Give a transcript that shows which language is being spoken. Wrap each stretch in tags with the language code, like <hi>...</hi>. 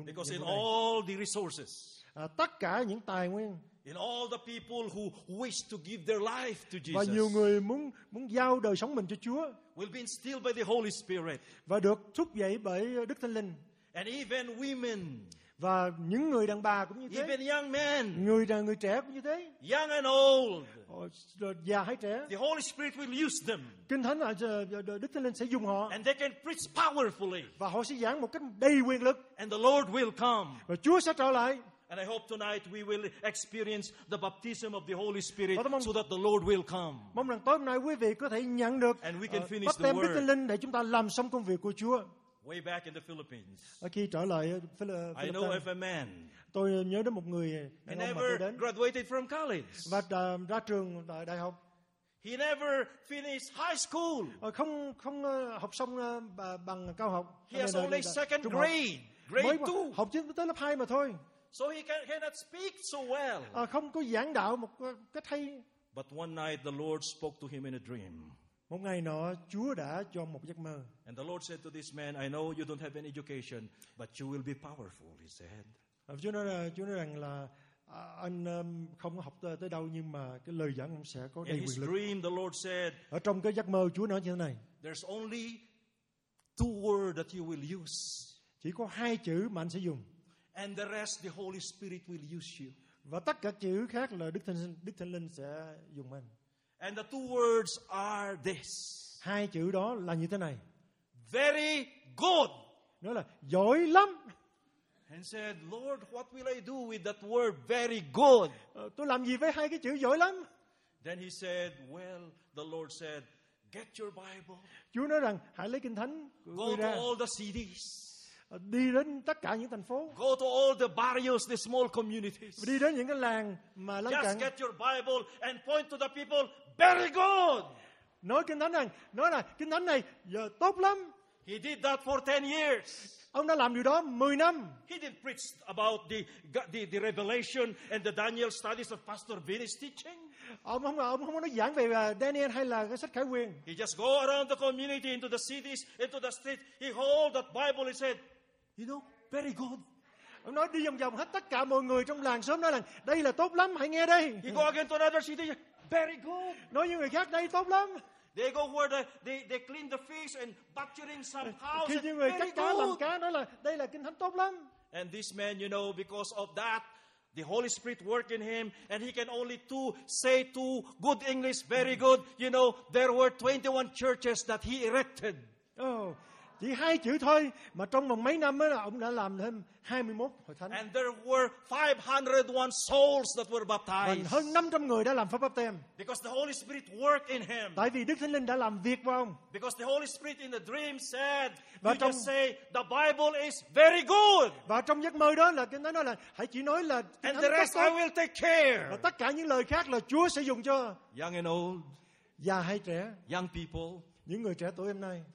<en>Because in all the resources.</en> <vi>Tất cả những tài nguyên.</vi> <en>In all the people who wish to give their life to Jesus.</en> <vi>Và nhiều người muốn giao đời sống mình cho Chúa.</vi> <en>Will be instilled by the Holy Spirit.</en> <vi>Và được thúc dậy bởi Đức Thánh Linh.</vi> <en>And even women.</en> <vi>Và những người đàn bà cũng như thế.</vi> <en>Even young men.</en> <vi>Người trẻ cũng như thế.</vi> <en>Young and old.</en> <vi>Già hay trẻ.</vi> <en>The Holy Spirit will use them.</en> <vi>Kinh Thánh Đức Thánh Linh sẽ dùng họ.</vi> <en>And they can preach powerfully.</en> <vi>Và họ sẽ giảng một cách đầy quyền lực.</vi> <en>And the Lord will come.</en> <vi>Và Chúa sẽ trở lại.</vi> <en>And I hope tonight we will experience the baptism of the Holy Spirit so that the Lord will come.</en> <vi>Mong rằng tối hôm nay quý vị có thể nhận được</vi> <en>and we can finish the</en> <vi>Đức Thánh Linh để chúng ta làm xong công việc của Chúa.</vi> <en>Way back in the Philippines.</en> <vi>Khi trở lại</vi> <en>I know of a man.</en> <vi>Tôi nhớ đến một người</vi> <en>he never graduated from college.</en> <vi>Và ra trường đại học.</vi> <en>He never finished high school.</en> <vi>Không học xong bằng cao học.</vi> <en>He has only second grade. Grade 2.</en> <vi>Học chỉ tới lớp 2 mà thôi.</vi> <en>So he cannot speak so well.</en> <vi>Không có giảng đạo một cách hay.</vi> <en>But one night the Lord spoke to him in a dream.</en> <vi>Một ngày nọ, Chúa đã cho một giấc mơ.</vi> <en>And the Lord said to this man, I know you don't have any education, but you will be powerful, he said.</en> <vi>Chúa nói rằng là anh không học tới đâu nhưng mà cái lời dẫn ông sẽ có đầy quyền lực.</vi> <en>In his dream, the Lord said,</en> <vi>ở trong cái giấc mơ, Chúa nói như thế này.</vi> <en>There's only two words that you will use.</en> <vi>Chỉ có hai chữ mà anh sẽ dùng.</vi> <en>And the rest, the Holy Spirit will use you.</en> <vi>Và tất cả chữ khác là Đức Thánh Linh sẽ dùng anh.</vi> <en>And the two words are this.</en> <vi>Hai chữ đó là như thế này.</vi> <en>Very good.</en> <vi>Nói là giỏi lắm.</vi> <en>And said, Lord, what will I do with that word very good?</en> <vi>Tôi làm gì với hai cái chữ giỏi lắm?</vi> <en>Then he said, well, the Lord said, get your Bible.</en> <vi>Chúa nói rằng hãy lấy Kinh Thánh.</vi> <en>Go to all the cities.</en> <vi>Đi đến tất cả những thành phố.</vi> <en>Go to all the barrios, the small communities.</en> <vi>Đi đến những cái làng mà lân cận.</vi> <en>Just get your Bible and point to the people. Very good.</en> <vi>Nói Kinh Thánh rằng, nói là Kinh Thánh này giờ tốt lắm.</vi> <en>He did that for 10 years.</en> <vi>Ông đã làm điều đó 10 năm.</vi> <en>He didn't preach about the revelation and the Daniel studies of Pastor Vinny's teaching.</en> <vi>Ông không nói giảng về Daniel hay là cái sách Khải Huyền.</vi> <en>He just go around the community into the cities, into the streets. He hold that Bible. He said, you know, very good.</en> <vi>Ông nói đi vòng vòng hết tất cả mọi người trong làng xóm nói rằng đây là tốt lắm, hãy nghe đây.</vi> <en>He go again to another city. Very good.</en> <vi>Nói với người khác đây tốt lắm.</vi> <en>They go where they clean the fish and butchering some cows.</en> <vi>Khi những người cắt cá làm cá nói là đây là Kinh Thánh tốt lắm.</vi> <en>And this man, you know, because of that, the Holy Spirit work in him and he can only two say two good English, very good. You know, there were 21 churches that he erected.</en> <vi>Oh, chỉ hai chữ thôi mà trong vòng mấy năm là ông đã làm thêm 21 hội thánh.</vi> <en>And there were 501 souls that were baptized.</en> <vi>Hơn 500 người đã làm pháp báp têm.</vi> <en>Because the Holy Spirit worked in him.</en> <vi>Tại vì Đức Thánh Linh đã làm việc vào ông.</vi> <en>Because the Holy Spirit in the dream said, you just say the Bible is very good.</en> <vi>Và trong giấc mơ đó là Kinh Thánh nói là hãy chỉ nói là Kinh</vi> <en>Thánh. And the rest I will take care.</en> <vi>Và tất cả những lời khác là Chúa sẽ dùng cho.</vi> <en>Young and old.</en> <vi>Già hay trẻ.</vi> <en>Young people.</en> <vi>Những người trẻ tuổi hôm nay.</vi>